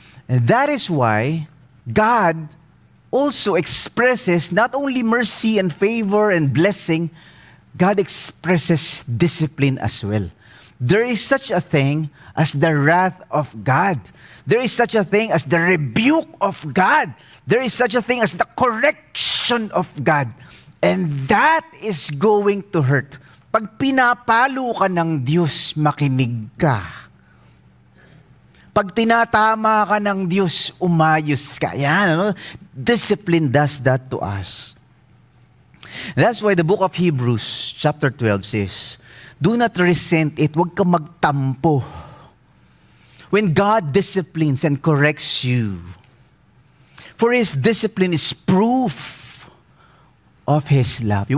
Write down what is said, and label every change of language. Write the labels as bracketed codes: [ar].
[en] And that is why God also expresses not only mercy and favor and blessing, God expresses discipline as well. There is such a thing as the wrath of God. There is such a thing as the rebuke of God. There is such a thing as the correction of God. And that is going to hurt. [tl] Pag pinapalo ka ng Diyos, makinig ka. Pag tinatama ka ng Diyos, umayos ka. Yan, no? [en] Discipline does that to us. That's why the book of Hebrews chapter 12 says, do not resent it. [tl] Huwag ka magtampo. [en] When God disciplines and corrects you, for His discipline is proof of His love.